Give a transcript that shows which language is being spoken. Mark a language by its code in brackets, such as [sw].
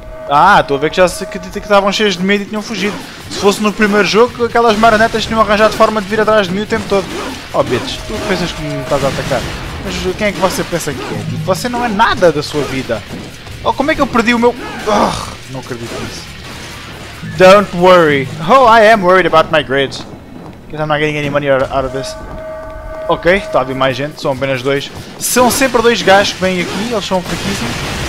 [pt] ah, estou a ver que já se acredita que estavam cheios de medo e tinham fugido. Se fosse no primeiro jogo, aquelas marionetas tinham arranjado forma de vir atrás de mim o tempo todo. Oh, bitch, tu pensas que me estás a atacar? Mas quem é que você pensa que é? Tipo, você não é nada da sua vida. Oh, como é que eu perdi o meu... oh, não acredito nisso. [en] Don't worry. Oh, I am worried about my grades. Because I'm not getting any money out of this. [pt] Ok, está a vir mais gente, são apenas dois. São sempre dois gajos que vêm aqui, eles são fraquíssimos.